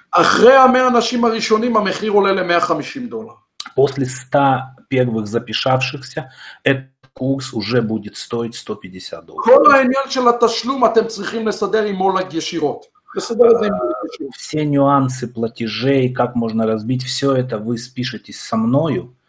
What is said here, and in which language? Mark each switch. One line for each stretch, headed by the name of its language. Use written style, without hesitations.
Hebrew: אחרי 100 אנשים הראשונים המחיר עולה ל-150 דולר.
Russian: После 100 первых записавшихся этот курс уже будет стоить $150.
Hebrew: כל העניין של התשלום אתם צריכים לסדר עם אולג ישירות.
Russian: Все нюансы платежей, как можно разбить все это, вы спишитесь со мною.